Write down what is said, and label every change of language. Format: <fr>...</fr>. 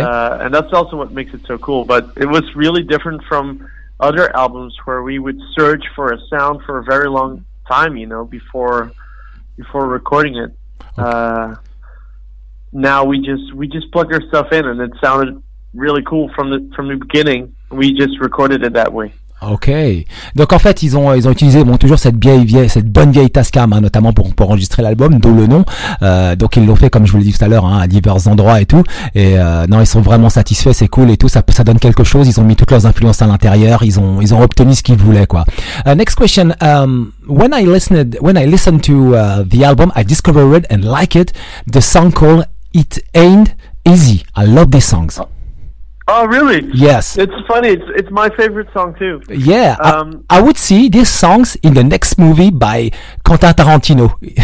<en>And that's also what makes it so cool. But it was really different from other albums where we would search for a sound for a very long time, you know, before recording it. Okay. Now we just plug our stuff in, and it sounded really cool from the beginning. We just recorded it that way.</en> <fr>Ok, donc en fait ils ont utilisé toujours cette bonne vieille Tascam, hein, notamment pour enregistrer l'album, d'où le nom. Donc ils l'ont fait, comme je vous l'ai dit tout à l'heure, hein, à divers endroits et tout. Et non, ils sont vraiment satisfaits, c'est cool et tout. Ça donne quelque chose. Ils ont mis toutes leurs influences à l'intérieur. Ils ont obtenu ce qu'ils voulaient, quoi.</fr> <en>Next question. When I listened to the album, I discovered and liked it. The song called "It Ain't Easy." I love these songs. Oh, really? Yes. It's funny. It's my favorite song, too. Yeah. I would see these songs in the next movie by Quentin Tarantino.</en>